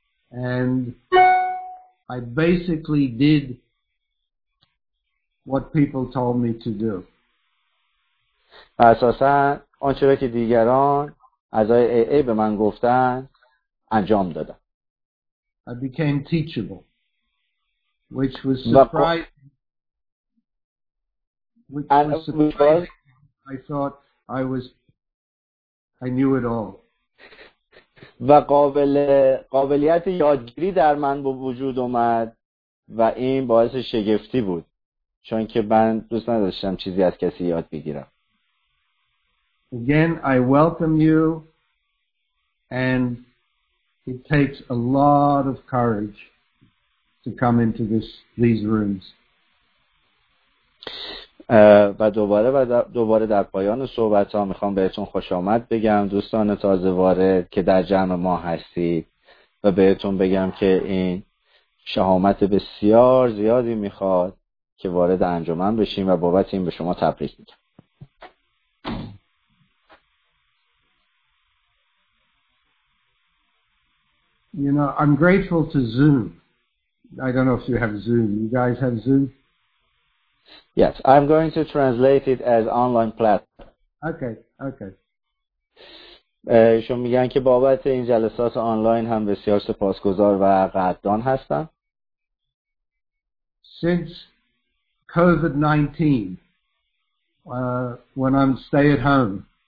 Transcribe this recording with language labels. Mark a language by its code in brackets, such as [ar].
[en] And I basically did what people told me to do. [fa] و اساساً آنچه را که دیگران اعضای AA به من گفتن انجام دادم. [en] I became teachable, which was surprising. I thought I knew it all. [fa] و قابلیت یادگیری در من به وجود اومد و این باعث شگفتی بود، چون که من دوست نداشتم چیزی از کسی یاد بگیرم. [en] Again, I welcome you, and it takes a lot of courage to come into these rooms. [fa] و دوباره و دوباره در پایان صحبت ها میخوام بهتون خوش آمد بگم دوستان تازه وارد که در جمع ما هستید، و بهتون بگم که این شهامت بسیار زیادی میخواد که وارد انجمن بشیم و بابت این به شما تبریک میگم. [en] You know, I'm grateful to Zoom. I don't know if you have Zoom. You guys have Zoom? Yes, I'm going to translate it as online platform. Okay. [fa] شما میگن که بابت این جلسات آنلاین هم بسیار سپاسگزار و قدردان هستم. [en] Since COVID-19, when I'm stay at home.